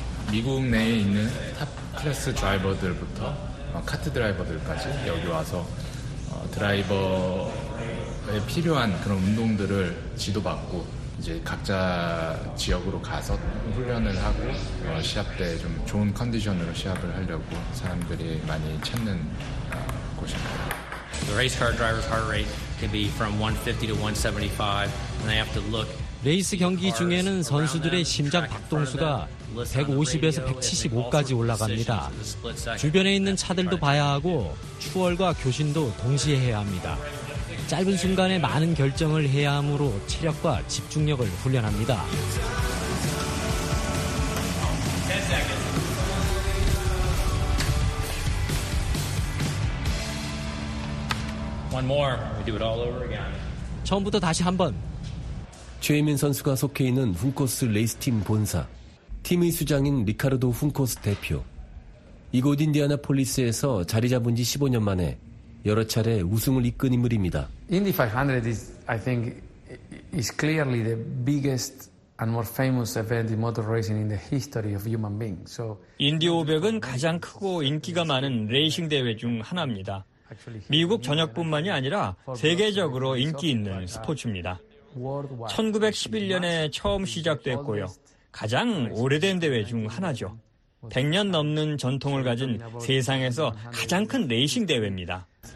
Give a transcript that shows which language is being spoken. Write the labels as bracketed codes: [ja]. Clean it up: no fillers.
[ko] 미국 내에 있는 탑 클래스 드라이버들부터 카트 드라이버들까지 여기 와서 드라이버에 필요한 그런 운동들을 지도받고 이제 각자 지역으로 가서 훈련을 하고 시합 때 좀 좋은 컨디션으로 시합을 하려고 사람들이 많이 찾는 곳입니다. [en] The race car driver's heart rate can be from 150 to 175 and they have to look. [ko] 레이스 경기 중에는 선수들의 심장 박동수가 150에서 175까지 올라갑니다. 주변에 있는 차들도 봐야 하고 추월과 교신도 동시에 해야 합니다. 짧은 순간에 많은 결정을 해야 하므로 체력과 집중력을 훈련합니다. 처음부터 다시 한번. 최혜민 선수가 속해 있는 훈코스 레이스팀 본사. 팀의 수장인 리카르도 훈코스 대표. 이곳 인디애나폴리스에서 자리 잡은 지 15년 만에 여러 차례 우승을 이끈 인물입니다. [en] Indy 500 is, I think, is clearly the biggest and more famous event in motor racing in the history of human being. So [ko] 인디 500은 가장 크고 인기가 많은 레이싱 대회 중 하나입니다. 미국 전역뿐만이 아니라 세계적으로 인기 있는 스포츠입니다. 1911년에 처음 시작됐고요. 가장 오래된 대회 중 하나죠. 100년 넘는 전통을 가진 세상에서 가장 큰 레이싱 대회입니다.